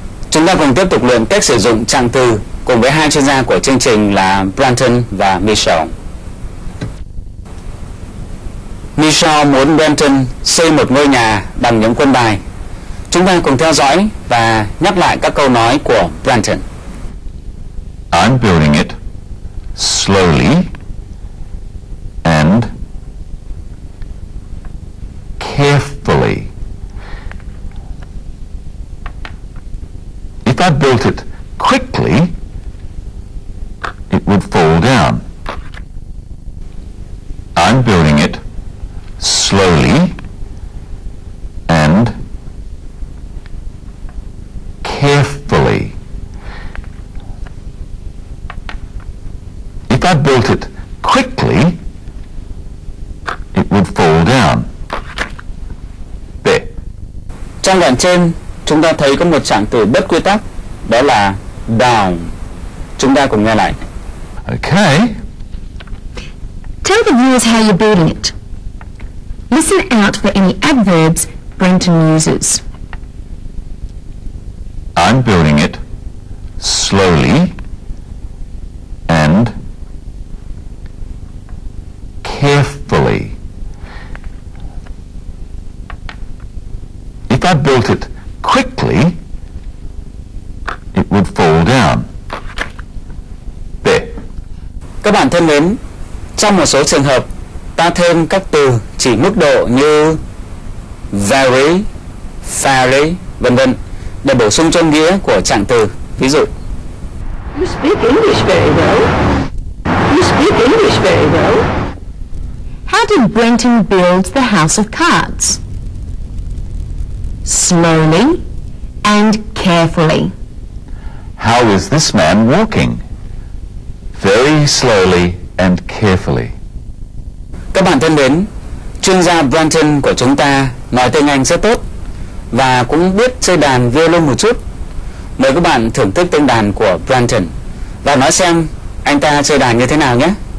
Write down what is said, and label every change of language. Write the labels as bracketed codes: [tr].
[vi] Chúng ta cùng tiếp tục luyện cách sử dụng trạng từ cùng với hai chuyên gia của chương trình là Brandon và Michelle. Michelle muốn Brandon xây một ngôi nhà bằng những quân bài. Chúng ta cùng theo dõi và nhắc lại các câu nói của Brandon. [en] I'm building it slowly and carefully. If I built it quickly, it would fall down. I'm building it slowly and carefully. If I built it quickly, it would fall down. There. [vi] Trong đoạn trên, chúng ta thấy có một trạng từ bất quy tắc, đó là down. Chúng ta cùng nghe lại. [en] Okay. Tell the viewers how you're building it. Listen out for any adverbs Brenton uses. I'm building it slowly and carefully. If I built it quickly, it would fall down. There. [vi] Các bạn thân mến, trong một số trường hợp, ta thêm các từ chỉ mức độ như very, fairly, vân vân để bổ sung cho nghĩa của trạng từ. Ví dụ: [en] You speak English very well. You speak English very well. How did Brenton build the house of cards? Slowly and carefully. How is this man walking? Very slowly and carefully. [vi] Các bạn thân mến, chuyên gia Brenton của chúng ta nói tiếng Anh rất tốt và cũng biết chơi đàn violin một chút. Mời các bạn thưởng thức tiếng đàn của Brenton và nói xem anh ta chơi đàn như thế nào nhé.